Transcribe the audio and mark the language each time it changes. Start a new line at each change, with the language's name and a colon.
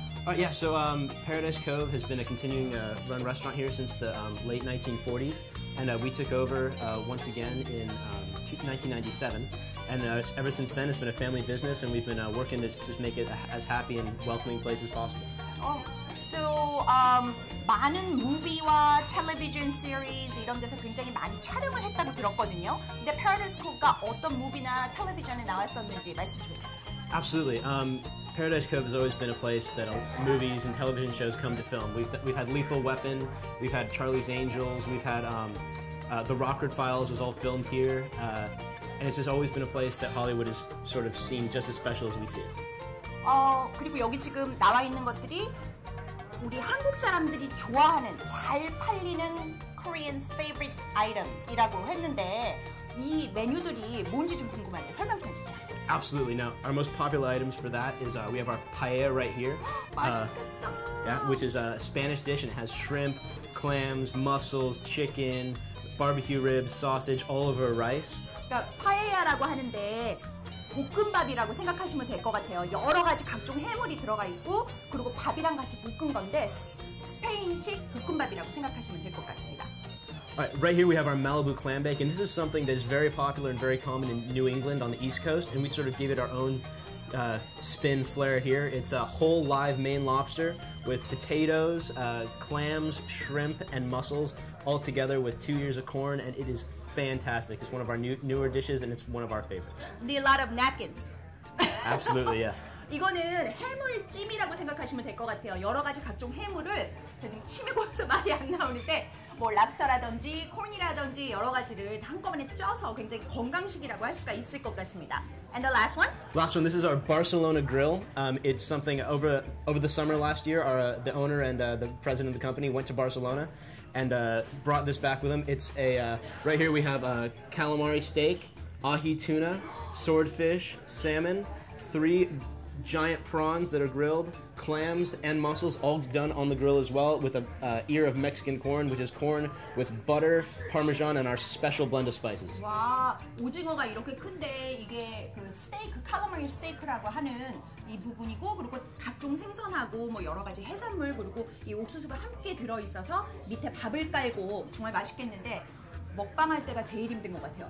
English: So Paradise Cove has been a continuing run restaurant here since the late 1940s, and we took over once again in 1997. And ever since then, it's been a family business, and we've been working to just make it as happy and welcoming place as possible.
Korean: So 많은 무비와 텔레비전 시리즈 이런 데서 굉장히 많이 촬영을 했다고 들었거든요. 근데 Paradise Cove가 어떤 무비나 텔레비전에 나왔었는지 말씀 좀 해주세요.
English: Absolutely. Paradise Cove has always been a place that movies and television shows come to film. We've had Lethal Weapon, we've had Charlie's Angels, we've had the Rockford Files was all filmed here. And it's just always been a place that Hollywood has sort of seen just as special as we see it.
Korean: 그리고 여기 지금 나와 있는 것들이 우리 한국 사람들이 좋아하는 잘 팔리는
English: Korean's favorite item
Korean: 이라고 했는데 이 메뉴들이 뭔지 좀 궁금한데 설명 좀 해주세요.
English: Absolutely. Now, our most popular items for that is we have our paella right here.
Korean: 맛있겠다.
English: Yeah, which is a Spanish dish and it has shrimp, clams, mussels, chicken, barbecue ribs, sausage, all over rice.
Korean: 그러니까 paella라고 하는데 볶음밥이라고 생각하시면 될 것 같아요. 여러 가지 각종 해물이 들어가 있고 그리고 밥이랑 같이 볶은 건데 스페인식 볶음밥이라고 생각하시면 될 것 같습니다.
English: Alright, right here we have our Malibu clam bake, and this is something that is very popular and very common in New England on the East Coast, and we sort of gave it our own spin flair here. It's a whole live Maine lobster with potatoes, clams, shrimp, and mussels all together with 2 ears of corn, and it is fantastic. It's one of our newer dishes, and it's one of our favorites. Need a lot of napkins. Absolutely, yeah.
Korean: 이거는 해물찜이라고 생각하시면 될 것 같아요. 여러 가지 각종 해물을 제가 지금 침이 고여서 말이 안 나오는데 뭐 랍스터라든지 콩이라든지 여러 가지를 한꺼번에 쪄서 굉장히 건강식이라고 할 수가 있을 것 같습니다.
English: And the last one? Last one, this is our Barcelona grill. It's something over the summer last year, the owner and the president of the company went to Barcelona and brought this back with him. It's a, right here we have a calamari steak, ahi tuna, swordfish, salmon, three giant prawns that are grilled, clams and mussels, all done on the grill as well with a ear of Mexican corn, which is corn with butter, parmesan, and our special blend of spices.
Korean: 와, 오징어가 이렇게 큰데 이게 그 스테이크, 칼라마리 스테이크라고 하는 이 부분이고 그리고 각종 생선하고 뭐 여러 가지 해산물 그리고 이 옥수수가 함께 들어있어서 밑에 밥을 깔고 정말 맛있겠는데 먹방할 때가 제일 힘든 것 같아요.